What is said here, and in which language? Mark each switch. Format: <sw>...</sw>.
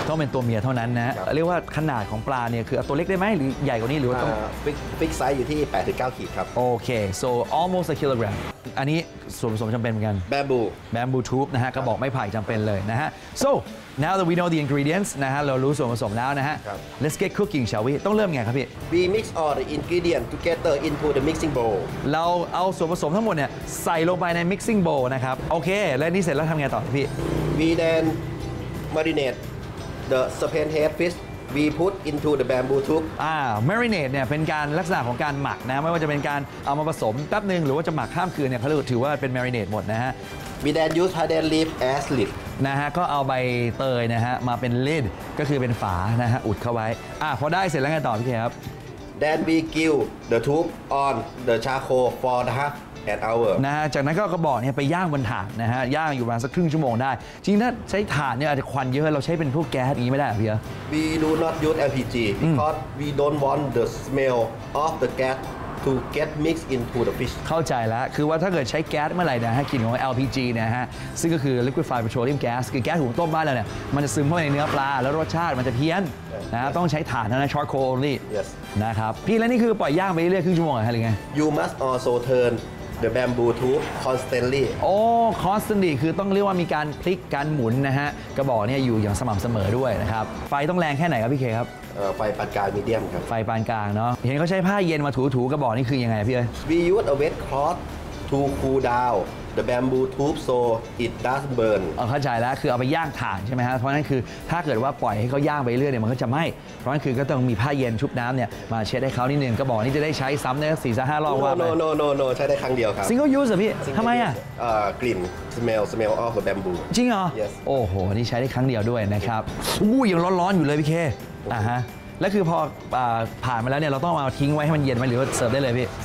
<th>ต้องเป็นตัวเมียเท่านั้นนะเรียกว่าขนาดของปลาเนี่ยคือตัวเล็กได้ไหมหรือใหญ่กว่านี้หรือว่าต้อง ฟิกไซส์อยู่ที่ 8-9 ขีดครับ โอเค</th> <en>so almost a kilogram</en> <th>อันนี้ส่วนผสมจำเป็นเหมือนกัน</th> <en>บัมบู</en> <th>ทูบนะฮะกระบอกไม้ไผ่จำเป็นเลยนะฮะ</th> <en>so now that we know the ingredients</en> <th>นะฮะเรารู้ส่วนผสมแล้วนะฮะ</th> <en>let's get cooking shall we</en> <th>ต้องเริ่มไงครับพี่</th> <en>we mix all the ingredients together into the mixing bowl</en> <th>เราเอาส่วนผสมทั้งหมดเนี่ยใส่ลงไปใน mixing bowl นะครับโอเคและนี่เสร็จแล้วทำไงต่อพี่</th> <en>we then marinateThe serpent head fish we put into the bamboo tube.</en> <th>Marinate เนี่ยเป็นการลักษณะของการหมักนะไม่ว่าจะเป็นการเอามาผสมแป๊บนึงหรือว่าจะหมักข้ามคืนเนี่ยเขาถือว่าเป็น marinate หมดนะฮะ</th> <en>We then use hardened leaf as lid.</en> <th>นะฮะก็เอาใบเตยนะฮะมาเป็น lid ก็คือเป็นฝานะฮะอุดเข้าไว้พอได้เสร็จแล้วไงต่อพี่เคครับ</th> <en>Then we grill the tube on the charcoal for the half</en> <th>นะฮะจากนั้นก็กระบอกเนี่ยไปย่างบนถ่านนะฮะย่างอยู่ประมาณสักครึ่งชั่วโมงได้จริงถ้าใช้ถ่านเนี่ยอาจจะควันเยอะเราใช้เป็นพวกแก๊สอย่างนี้ไม่ได้เหรอพี่</th> <en>We do not use LPG because we don't want the smell of the gas to get mixed into the fish</en> <th>เข้าใจแล้วคือว่าถ้าเกิดใช้แก๊สเมื่อไหร่นะฮะกลิ่นของ LPG นะฮะซึ่งก็คือ liquefied petroleum gas คือแก๊สหุงต้มบ้านเราเนี่ยมันจะซึมเข้าไปในเนื้อปลาแล้วรสชาติมันจะเพี้ยนนะต้องใช้ถ่านนะ</th> <en>charcoal only yes</en> <th>นะครับพี่แล้วนี่คือปล่อยย่างไปเรื่อยๆครึ่งชั่วโมงหรือไง</th> <en>You must also turnthe bamboo tube constantly</en> <th>โอ้ constantly คือต้องเรียกว่ามีการพลิกการหมุนนะฮะกระบอกเนี่ยอยู่อย่างสม่ำเสมอด้วยนะครับไฟต้องแรงแค่ไหนครับพี่เคครับ ไฟปานกลางมีเดียมครับ ไฟปานกลางเนาะเห็นเขาใช้ผ้าเย็นมาถูๆกระบอกนี่คือยังไงพี่เ</th> <en>อ We use a wet cloth to cool down the bamboo tube so it doesn't burn</en> <th>เข้าใจแล้วคือเอาไปย่างถ่านใช่ไหมฮะเพราะนั่นคือถ้าเกิดว่าปล่อยให้เขาย่างไปเรื่อยเนี่ยมันก็จะไหม้เพราะนั่นคือก็ต้องมีผ้าเย็นชุบน้ำเนี่ยมาเช็ดให้เขานิดนึงกระบอกนี้จะได้ใช้ซ้ำได้สี่สิบห้ารอบว่าไ หม no ใช้ได้ครั้งเดียวครับ single use เหรอพี่ทำไมอ่ะ</th> <en>กลิ่น smell of the bamboo</en> <th>จริงเหรอ</th> <en>yes</en> <th>โอ้โหนี่ใช้ได้ครั้งเดียวด้วยนะครับอู้ยังร้อนๆอยู่เลยพี่เคฮะแล้วคือพอผ่านมาแล้วเนี่ยเราต้องเอาทิ้งไว้ให้มันเย็นไหมหรือว่าเสิร์ฟได้เลยพี่</th>